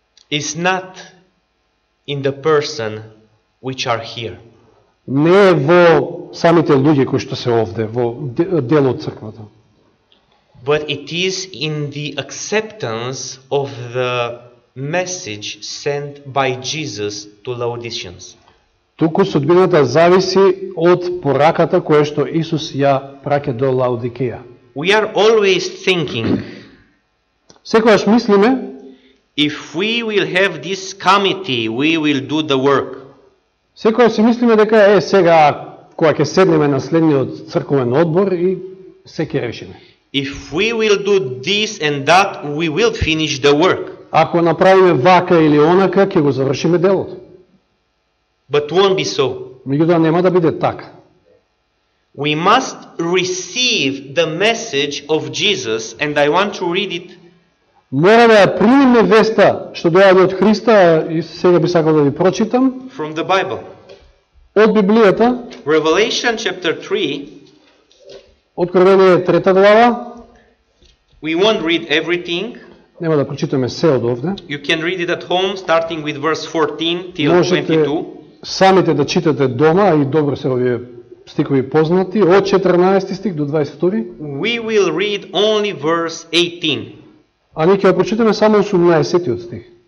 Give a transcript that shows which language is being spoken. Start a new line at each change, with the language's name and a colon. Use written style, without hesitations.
English: is not in the person which are here.
Macedonian: Не е во самите луѓе кои што се овде, во дел од црквата.
English: But it is in the acceptance of the message sent by Jesus to Laodiceans.
Macedonian: Туку судбината зависи од пораката која што Исус ја праќа до Лаодикеја.
English: We are always thinking.
Macedonian: Секогаш мислиме.
English: If we will have this committee, we will do the work.
Macedonian: Секогаш се мислиме дека е сега кога ќе седнеме на следниот црковен одбор и се ќе решиме.
English: If we will do this and that, we will finish the work.
Macedonian: Ако направиме вака или онака, ќе го завршиме делото.
English: But won't be so.
Macedonian: Меѓутоа нема да биде така.
English: We must receive the message of Jesus and I want to read it.
Macedonian: Мора да примиме веста што доаѓа од Христа и сега би сакал да ви прочитам.
English: From the Bible.
Macedonian: Од Библијата.
English: Revelation chapter 3.
Macedonian: Откровение е трета глава.
English: We won't read everything.
Macedonian: Нема да прочитаме се од овде.
English: You can read it at home starting with verse 14 till 22.
Macedonian: Самите да читате дома и добро се овие стикови познати од 14 стих до 22.
English: We will read only verse 18.
Macedonian: А ние ќе прочитаме само 18-тиот стих.